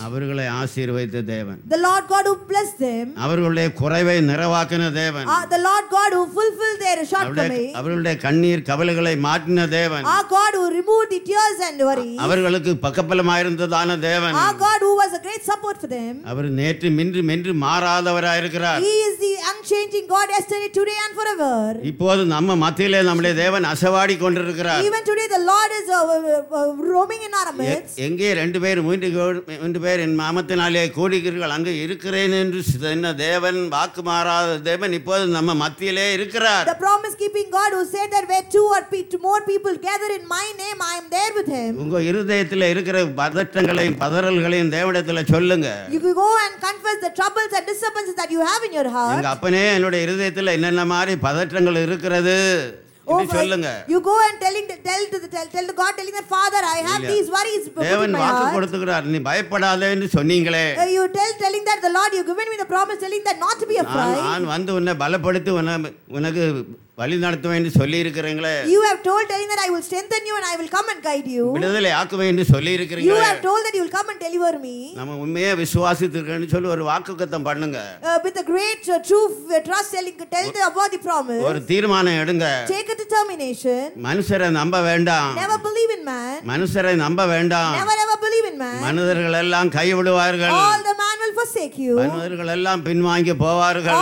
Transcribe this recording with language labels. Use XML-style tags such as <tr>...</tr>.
<ta>அவர்களை ஆசீர்வதித்த தேவன்.</ta> <en>The Lord God who blessed them.</en> <ta>அவர்களுடைய குறைவை நிறைவாக்கின தேவன்.</ta> <en>The Lord God who fulfilled their shortcomings.</en> <ta>அவர்களுடைய கண்ணீர் கவலைகளை மாற்றின தேவன்.</ta> <en>Our God who removed the tears and worries.</en> <ta>அவர்களுக்கு பக்கபலமாய் இருந்ததான தேவன்.</ta> <en>Our God who was a great support for them.</en> <ta>அவர் நேற்று இன்றும் என்றும் மாறாதவராய் இருக்கிறார்.</ta> <en>He is the unchanging God yesterday today and forever.</en> <ta>இப்போது நம்ம மத்தியிலே நம்முடைய தேவன் அசவாடி கொண்டிருக்கிறார்.</ta> <en>Even today the Lord is roaming in our midst.</en> <ta>எங்கே ரெண்டு பேர் மூன்று பேர் என் மாமத்தினாலே கூடுகிறீர்கள் அங்கு இருக்கிறேன் என்று சொன்ன தேவன், வாக்கு மாறாத தேவன் இப்போது நம்ம மத்தியிலே இருக்கிறார்.</ta> <en>The promise keeping God who said that where two or more people gather in my name I am there with him.</en> <ta>உங்க இருதயத்திலே இருக்கிற பதற்றங்களையும் பதறல்களையும் தேவனிடத்திலே சொல்லுங்க.</ta> <en>You go and confess the troubles and disturbances that you have in your heart.</en> <ta>எங்க அப்பனே என்னோட இருதயத்திலே என்னென்ன மாதிரி பதற்றங்கள் இருக்கிறது சொல்லுங்க.</ta> <en>You go and tell the God, telling the Father, I have these worries.</en> <ta>தேவன் வாக்கு கொடுத்துகிறார், நீ பயப்படாதே என்று சொன்னீங்களே.</ta> <en>You telling that the Lord, you given me the promise, telling that not to be afraid.</en> <ta>நான் வந்து உன்னை பலப்படுத்தி உனக்கு வழி நடத்துவேன் என்று சொல்லி இருக்கிறீங்களே.</ta> <en>You have told telling that I will strengthen you and I will come and guide you.</en> <ta>விடுதலை ஆக்குவேன் என்று சொல்லி இருக்கிறீங்களே.</ta> <en>You have told that you will come and deliver me.</en> <ta>நாம உண்மையா விசுவாசித்திருக்கேன் சொல்லி ஒரு வாக்குத்தத்தம் பண்ணுங்க.</ta> <en>With a great true trust telling tell the about the promise.</en> <ta>ஒரு தீர்மானம் எடுங்க.</ta> <en>Take a determination.</en> <ta>மனுஷரை நம்ப வேண்டாம்.</ta> <en>Never believe in man.</en> <ta>மனுஷரை நம்ப வேண்டாம்.</ta> <en>Never ever believe in man.</en> <ta>மனிதர்கள் எல்லாம் கைவிடுவார்கள்.</ta> <en>All the man will forsake you.</en> <ta>மனிதர்கள் எல்லாம் பின்வாங்கி போவார்கள்.</ta>